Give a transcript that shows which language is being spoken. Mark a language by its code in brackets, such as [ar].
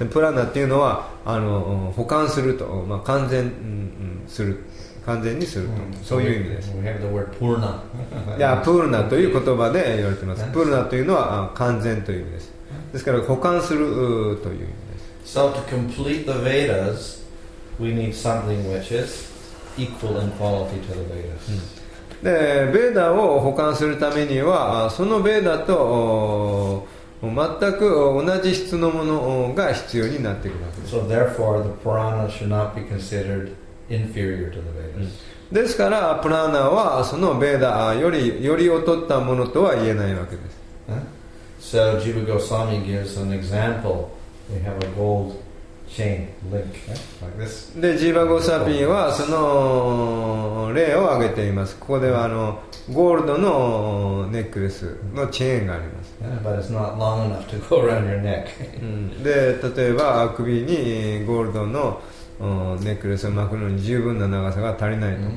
[ja] プラナっていうのは保管すると、まあ、完全する完全にすると、うん、そういう意味です。 [en] We have the word purna. [ja] いや、プーナという言葉で言われてます。プーナというのは完全という意味です。ですから補完するという意味です。 [en] So to complete the Vedas, we need something which is equal in quality to the Vedas.、うん、 [ja] で、ベーダを補完するためにはそのベーダと全く同じ質のものが必要になってくるわけです。 [en] So therefore, the Purana should not be considered inferior to the Vedas. [ja] ですから、プラナはそのベーダより劣ったものとは言えないわけです。 [en] So Jiva Goswami gives an example. We have a gold chain link, like this. [ja] で、ジーバ・ゴサピンはその例を挙げています。ここではゴールドのネックレスのチェーンがあります。 [en] But it's not long enough to go around your neck. [ja] で、例えば首にゴールドのネックレスを巻くのに十分な長さが足りないと。